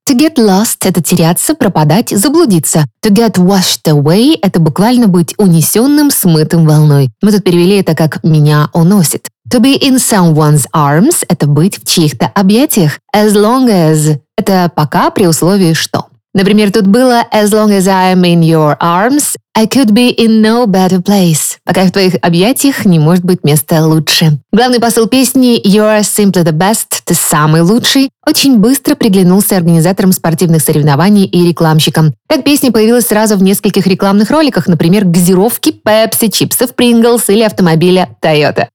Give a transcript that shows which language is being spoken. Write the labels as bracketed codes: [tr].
[en] To get lost [ru] – это теряться, пропадать, заблудиться. [en] To get washed away [ru] – это буквально быть унесенным, смытым волной. Мы тут перевели это как «меня уносит». [en] To be in someone's arms [ru] – это быть в чьих-то объятиях. [en] As long as [ru] – это пока при условии что. Например, тут было [en] «As long as I'm in your arms, I could be in no better place». [ru] Пока я в твоих объятиях, не может быть места лучше. Главный посыл песни [en] «You're simply the best», [ru] «Ты самый лучший», очень быстро приглянулся организаторам спортивных соревнований и рекламщикам. Так песня появилась сразу в нескольких рекламных роликах, например, газировки Pepsi, чипсов Pringles или автомобиля Toyota.